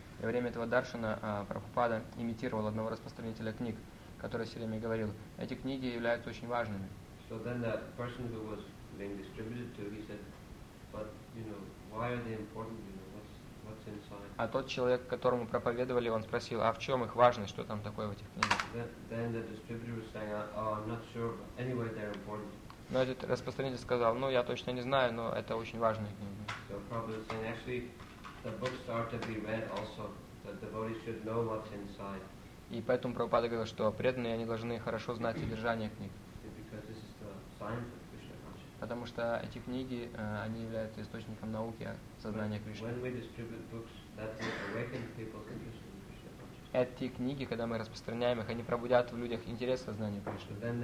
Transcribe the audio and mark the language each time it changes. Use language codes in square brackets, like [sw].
[ru] И во время этого даршана Прабхупада имитировал одного распространителя книг, который все время говорил, эти книги являются очень важными. [en] So then the person who was being distributed to, he said, but you know, why are they important? You know, what's inside? [ru] А тот человек, которому проповедовали, он спросил, а в чем их важность, что там такое в этих книгах? [en] Then the distributor was saying, oh, I'm not sure, but anyway, they're important. [ru] Но этот распространитель сказал, ну, я точно не знаю, но это очень важные книги. [en] So Prabhupada was saying, actually, the books are to be read also, that the devotees should know what's inside. [ru] И поэтому Прабхупада говорил, что преданные, они должны хорошо знать содержание книг. [en] Because this is the science of Krishna consciousness. [ru] Потому что эти книги, они являются источником науки о сознании Кришны. [en] When we distribute books, that will awaken people's interest. [ru] Эти книги, когда мы распространяем их, они пробудят в людях интерес к сознанию Кришны.